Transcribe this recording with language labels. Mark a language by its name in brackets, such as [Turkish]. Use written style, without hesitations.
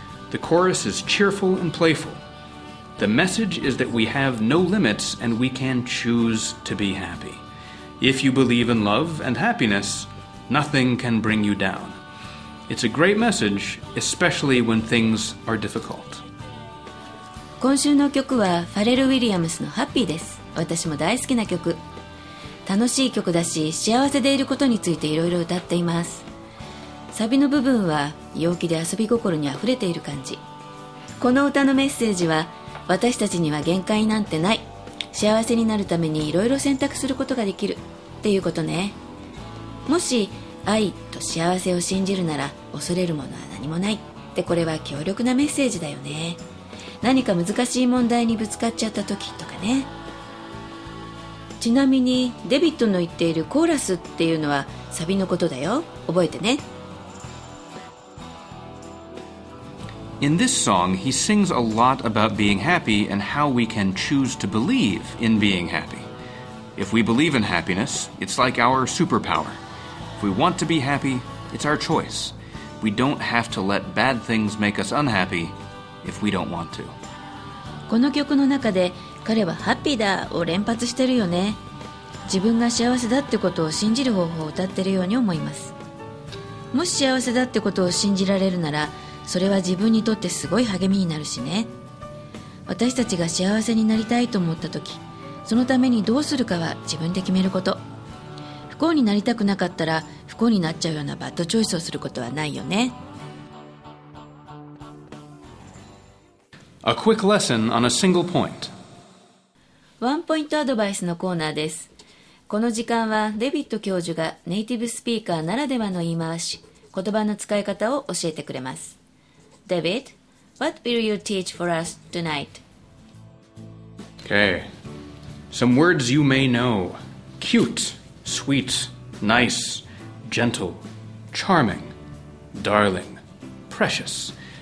[English] The chorus is cheerful and playful. The message is that we have no limits and we can choose to be happy. If you believe in love and happiness, nothing can bring you down. It's a great message, especially when things are difficult. [Japanese] 今週の曲はファレル・ウィリアムスのハッピーです。私も大好きな曲。楽しい曲だし、幸せでいることについていろいろ歌っています。サビの部分は陽気で遊び心にあふれている感じ。この歌のメッセージは、私たちには限界なんてない、幸せになるためにいろいろ選択することができるっていうことね。もし愛と幸せを信じるなら恐れるものは何もないって、これは強力なメッセージだよね。何か難しい問題にぶつかっちゃった時とかね。ちなみにデビッドの言っているコーラスっていうのはサビのことだよ、覚えてね。 [English] In this song, he sings a lot about being happy and how we can choose to believe in being happy. If we believe in happiness, it's like our superpower. If we want to be happy, it's our choice. We don't have to let bad things make us unhappy if we don't want to. [Japanese] この曲の中で彼はハッピーだを連発してるよね。自分が幸せだってことを信じる方法を歌ってるように思います。もし幸せだってことを信じられるなら、それは自分にとってすごい励みになるしね。私たちが幸せになりたいと思った時、そのためにどうするかは自分で決めること。不幸になりたくなかったら不幸になっちゃうようなバッドチョイスをすることはないよね。 [English] A quick lesson on a single point. [Japanese] ワンポイントアドバイスのコーナーです。この時間はデビッド教授がネイティブスピーカーならではの言い回し、言葉の使い方を教えてくれます。 [English] David, what will you teach for us tonight? Okay. Some words you may know. Cute, sweet, nice, gentle, charming, darling, precious.